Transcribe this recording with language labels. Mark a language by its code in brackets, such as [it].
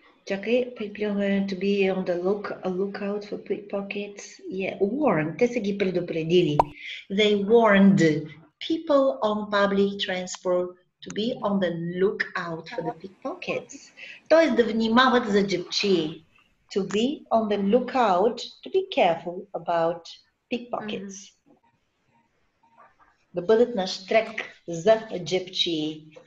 [en] Okay, people are going to be on the lookout for pickpockets. Yeah, warned. [bg] Те са ги предупредили. [en] They warned people on public transport to be on the lookout for the pickpockets. [bg] Тоест да внимават за джебчии. [en] To be on the lookout, to be careful about pickpockets. Mm-hmm. [bg] Да бъдат на штрек за джебчии.